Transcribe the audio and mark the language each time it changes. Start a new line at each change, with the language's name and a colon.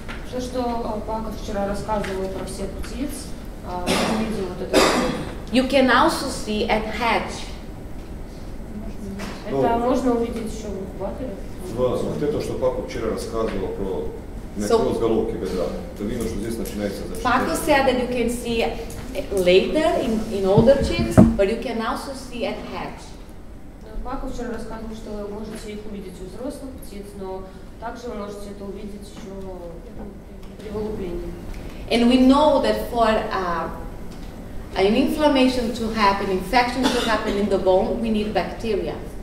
Russian: То, что Parker вчера рассказывал про всех птиц, мы видим вот это.
English: You can also see at hatch.
Russian: Это можно увидеть еще в инкубаторе? Вот это, что Пако вчера рассказывал про некроз головки бедра. То видно, что здесь начинается.
English: Пако said that you can see later in older chicks, but you can also see at hatch.
Russian: Пако вчера рассказывал, что вы можете их увидеть у взрослых птиц, но также вы можете это увидеть еще при вылуплении.
English: And we know that for an inflammation to happen, infection to happen in the bone, we need bacteria.